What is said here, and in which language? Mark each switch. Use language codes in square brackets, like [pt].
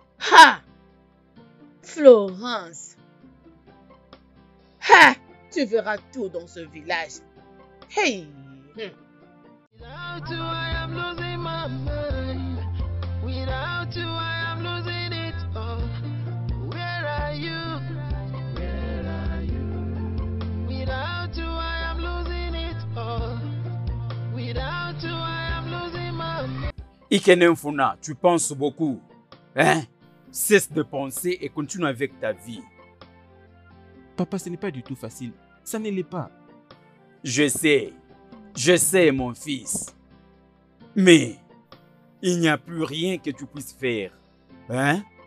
[fr] Ha! Florence! Ha! Tu verras tout dans ce village. Hey! [en] Without you, I am losing my mind. Without you, I am losing it all. Where are you? Where are you? Without you, I am losing it all. Without you, I am losing my mind. [fr] Ikenemfuna, tu penses beaucoup. Hein? Cesse de penser et continue avec ta vie. Papa, ce n'est pas du tout facile. Ça ne l'est pas. Je sais. Je sais, mon fils. Mais il n'y a plus rien que tu puisses faire. Hein?